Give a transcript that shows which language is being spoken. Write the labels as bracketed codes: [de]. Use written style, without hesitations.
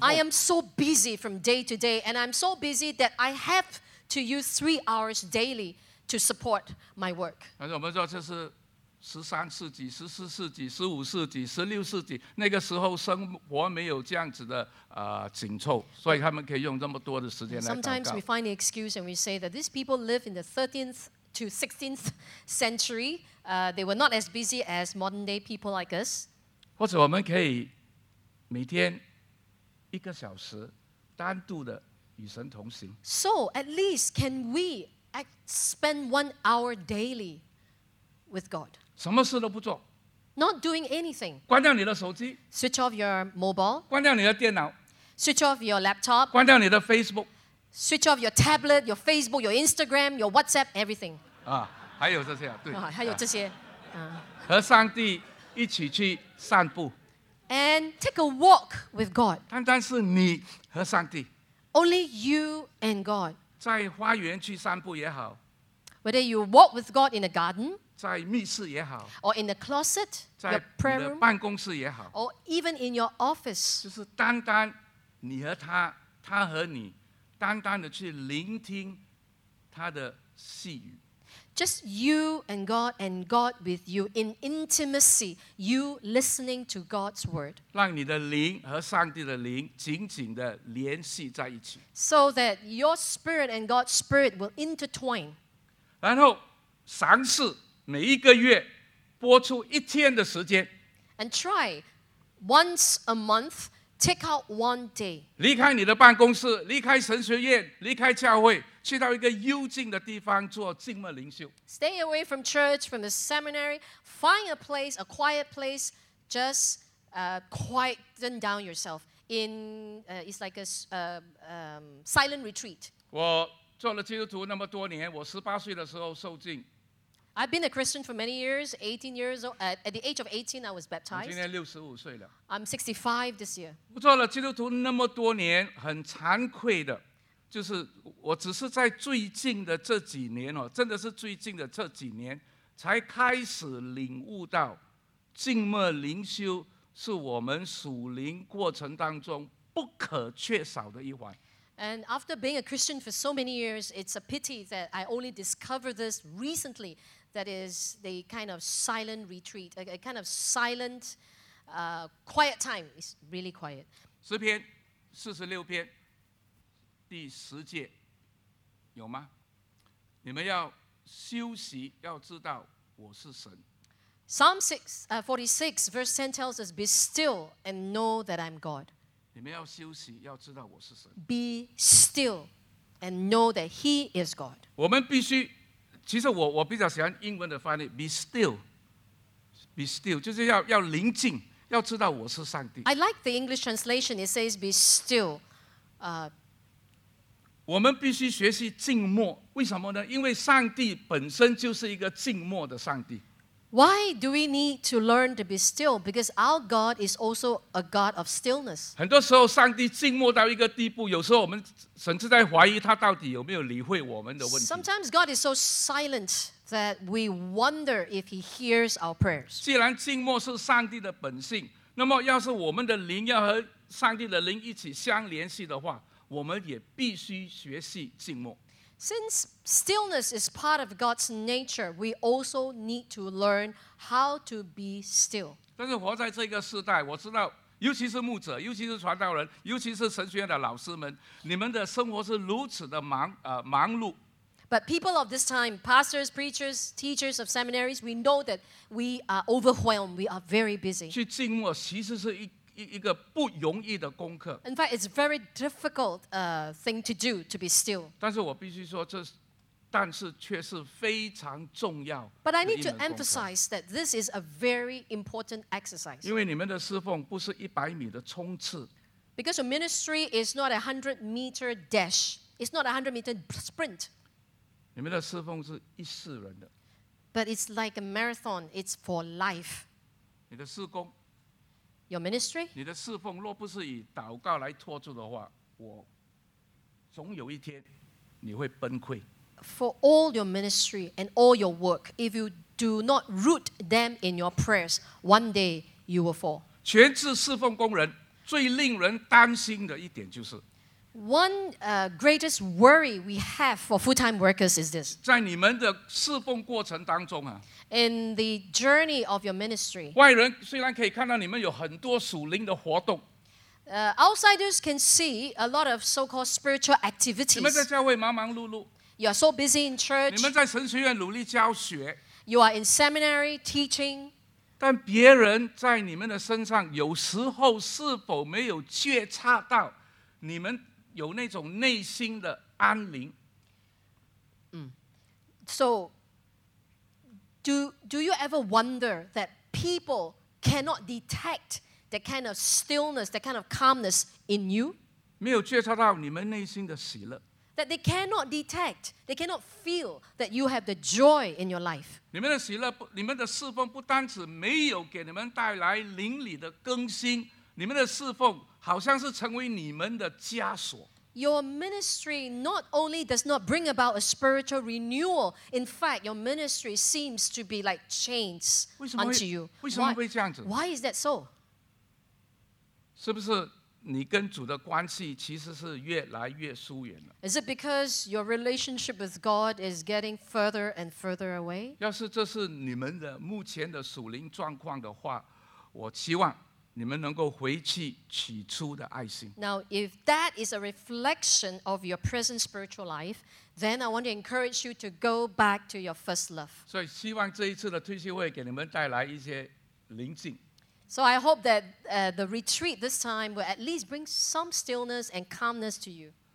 [en] I am so busy from day to day and I'm so busy that I have to use 3 hours daily to support my work. [zh] 但是我们说这是十三世纪、十四世纪、十五世纪、十六世纪，那个时候生活没有这样子的紧凑，所以他们可以用这么多的时间来祷告。 [en] Sometimes we find the excuse and we say that these people live in the 13th to 16th century. They were not as busy as modern day people like us. [zh] 或者我们可以每天一个小时单独的与神同行。 [en] So at least can we spend 1 hour daily with God? [zh] 什么事都不做。 [en] Not doing anything. [zh] 关掉你的手机。 [en] Switch off your mobile. [zh] 关掉你的电脑。 [en] Switch off your laptop. [zh] 关掉你的 Facebook. [en] Switch off your tablet, your Facebook, your Instagram, your WhatsApp, everything. [zh] 啊，还有这些，对。啊，还有这些。和上帝一起去散步。 [en] And take a walk with God. [zh] 单单是你和上帝。 [en] Only you and God. [zh] 在花园去散步也好。 [en] Whether you walk with God in a garden. [zh] 在密室也好。 [en] Or in the closet, your prayer room. [zh] 在你的办公室也好。 [en] Or even in your office. [zh] 就是单单你和他，他和你，单单的去聆听他的细语。 [en] Just you and God with you in intimacy, you listening to God's word. [zh] 让你的灵和上帝的灵紧紧的联系在一起。 [en] So that your spirit and God's spirit will intertwine. [zh] 然后尝试每一个月播出一天的时间。 [en] And try once a month, take out one day. [zh] 离开你的办公室，离开神学院，离开教会。去到一个幽静的地方做静默灵修。 [en] Stay away from church, from the seminary. Find a place, a quiet place. Just quieten down yourself. It's like a silent retreat. [zh] 我做了基督徒那么多年，我十八岁的时候受浸。 [en] I've been a Christian for many years. 18 years old. At the age of 18, I was baptized. [zh] 今年65岁了。 [en] I'm 65 this year. [zh] 我做了基督徒那么多年，很惭愧的。就是我只是在最近的这几年、哦、真的是最近的这几年才开始领悟到静默灵修是我们属灵过程当中不可缺少的一环。 [en] And after being a Christian for so many years, it's a pity that I only discovered this recently. That is the kind of silent retreat, a kind of silent quiet time. It's really quiet. [zh] 诗篇四十六篇第十节有吗？你们要休息，要知道我是神。 [en] Psalm 46 verse 10 tells us, "Be still and know that I'm God." [zh] 你们要休息，要知道我是神。 [en] Be still and know that He is God. [zh] 我们必须，其实我比较喜欢英文的翻译 ， [en] be still， [zh] 就是要宁静，要知道我是上帝。 [en] I like the English translation. It says, "Be still." [zh] 我们必须学习静默，为什么呢？因为上帝本身就是一个静默的上帝。 [en] Why do we need to learn to be still? Because our God is also a God of stillness. [zh] 很多时候，上帝静默到一个地步，有时候我们甚至在怀疑他到底有没有理会我们的问题。 [en] Sometimes God is so silent that we wonder if He hears our prayers. [zh] 既然静默是上帝的本性，那么要是我们的灵要和上帝的灵一起相联系的话。我们也必须学习静默。 [en] Since stillness is part of God's nature, we also need to learn how to be still. [zh] 但是活在这个时代，我知道，尤其是牧者，尤其是传道人，尤其是神学院的老师们，你们的生活是如此的忙碌。 [en] But people of this time, pastors, preachers, teachers of seminaries, we know that we are overwhelmed. We are very busy. [zh] 去静默其实是一个不容易的功课。 [en] In fact, it's a very difficult thing to do to be still. [zh] 但是我必须说，这但是却是非常重要。 [en] But I need to emphasize that this is a very important exercise. [zh] 因为你们的侍奉不是一百米的冲刺。 [en] Because your ministry is not a 100-meter dash. It's not a 100-meter sprint. [zh] 你们的侍奉是一世人的。 [en] But it's like a marathon. It's for life. [zh] 你的事工。 [en] Your ministry? [zh] 你的侍奉若不是以祷告来托住的话，我总有一天你会崩溃。 [en] For all your ministry and all your work, if you do not root them in your prayers, one day you will fall. [zh] 全职侍奉工人最令人担心的一点就是 [en] One greatest worry we have for full-time workers is this. [zh] 在你们的侍奉过程当中啊。 [en] In the journey of your ministry, [zh] 外人虽然可以看到你们有很多属灵的活动 [en] outsiders can see a lot of so-called spiritual activities. [zh] 你们在教会忙忙碌碌 [en] you are so busy in church. [zh] 你们在神学院努力教学 [en] you are in seminary teaching. [zh] 但别人在你们的身上有时候是否没有觉察到你们有那种内心的安宁？嗯，So。 [en] Do you ever wonder that people cannot detect that kind of stillness, that kind of calmness in you? [zh] 没有觉察到你们内心的喜乐。 [en] That they cannot detect, they cannot feel that you have the joy in your life. [zh] 你们的喜乐不，你们的侍奉不单只没有给你们带来灵里的更新，你们的侍奉好像是成为你们的枷锁。 [en] your ministry not only does not bring about a spiritual renewal, in fact, your ministry seems to be like chains unto you. [zh] 为什么会这样子? [en] Why is that so? [zh] 是不是你跟主的关系其实是越来越疏远了? [en] Is it because your relationship with God is getting further and further away? [zh] 要是这是你们的目前的属灵状况的话, 我希望 [en] Now, if that is a reflection of your present spiritual life, then I want to encourage you to go back to your first love. So I hope that the retreat this time will at least bring some stillness and calmness to you.